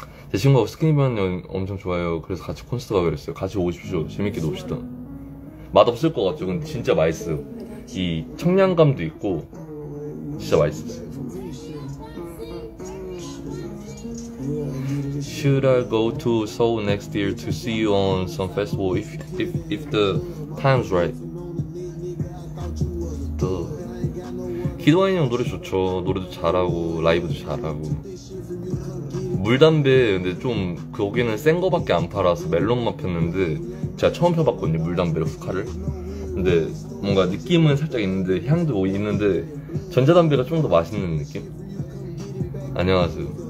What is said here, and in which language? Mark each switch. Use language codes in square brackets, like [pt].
[ko] 제 친구가 스키니반 엄청 좋아해요. 그래서 같이 콘서트 가기로 했어요. 같이 오십시오. 재밌게 놉시다. 맛없을 것 같죠? 근데 진짜 맛있어요. 이 청량감도 있고 진짜 맛있었어요. [en] Should I go to Seoul next year to see you on some festival if the time's right? [ko] 기도하인 형 노래 좋죠. 노래도 잘하고 라이브도 잘하고. 물담배 근데 좀 거기는 센 거밖에 안 팔아서 멜론만 폈는데 제가 처음 펴봤거든요. 물담배로 후카를. 근데 뭔가 느낌은 살짝 있는데 향도 있는데 전자담배가 좀 더 맛있는 느낌? 안녕하세요.